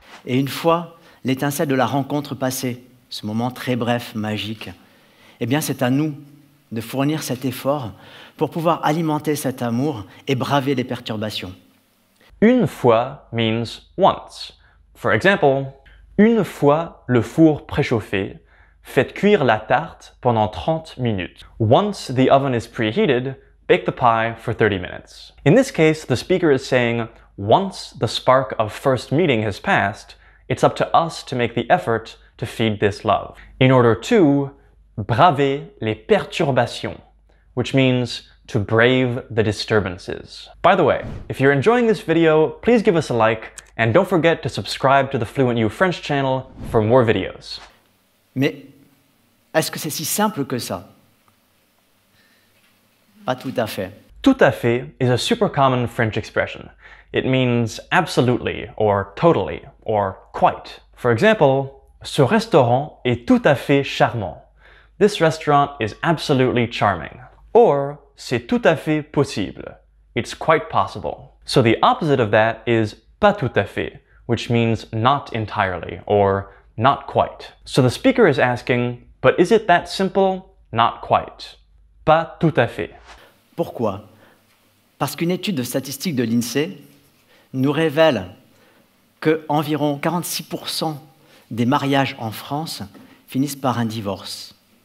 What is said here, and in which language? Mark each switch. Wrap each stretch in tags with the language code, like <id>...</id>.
<fr>Et une fois l'étincelle de la rencontre passée, ce moment très bref, magique, eh bien c'est à nous de fournir cet effort pour pouvoir alimenter cet amour et braver les perturbations.</fr> <en>Une fois means once. For example,</en> <fr>une fois le four préchauffé, faites cuire la tarte pendant 30 minutes.</fr> <en>Once the oven is preheated, bake the pie for 30 minutes. In this case, the speaker is saying, once the spark of first meeting has passed, it's up to us to make the effort to feed this love. In order to</en> <fr>braver les perturbations,</fr> <en>which means to brave the disturbances. By the way, if you're enjoying this video, please give us a like, and don't forget to subscribe to the FluentU French channel for more videos.</en> <fr>Mais est-ce que c'est si simple que ça? Pas tout à fait.</fr> <en>Tout à fait is a super common French expression. It means absolutely, or totally, or quite. For example,</en> <fr>ce restaurant est tout à fait charmant.</fr> <en>This restaurant is absolutely charming. Or,</en> <fr>c'est tout à fait possible.</fr> <en>It's quite possible. So the opposite of that is</en> <fr>pas tout à fait,</fr> <en>which means not entirely, or not quite. So the speaker is asking, but is it that simple? Not quite.</en> <fr>Pas tout à fait. Pourquoi? Parce qu'une étude statistique de l'INSEE nous révèle que environ 46% des mariages en France finissent par un divorce.</fr>